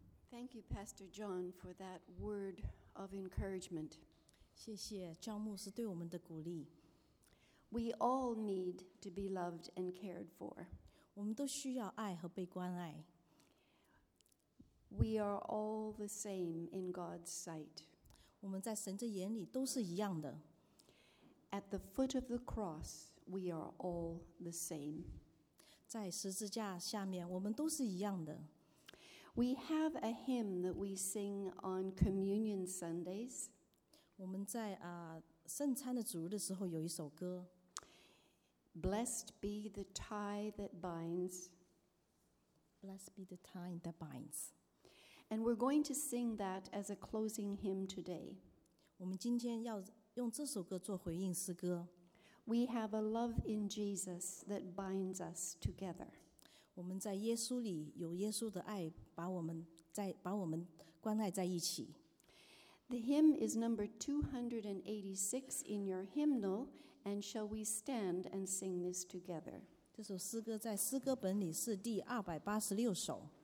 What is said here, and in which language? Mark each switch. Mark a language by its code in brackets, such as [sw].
[en] Thank you, Pastor John, for that word of encouragement. [zh] 谢谢张牧师对我们的鼓励。 [en] We all need to be loved and cared for. [zh] 我们都需要爱和被关爱。 [en] We are all the same in God's sight. [zh] 我们在神的眼里都是一样的。 [en] At the foot of the cross, we are all the same. [zh] 在十字架下面，我们都是一样的。 [en] We have a hymn that we sing on Communion Sundays. [zh] 我们在圣餐的主日的时候有一首歌。 [en] Blessed be the tie that binds. Blessed be the tie that binds. And we're going to sing that as a closing hymn today. [zh] 我们今天要用这首歌做回应诗歌。 [en] We have a love in Jesus that binds us together. [zh] 我们在耶稣里有耶稣的爱把我们关爱在一起。 [en] The hymn is number 286 in your hymnal, and shall we stand and sing this together? [zh] 这首诗歌在诗歌本里是第286首。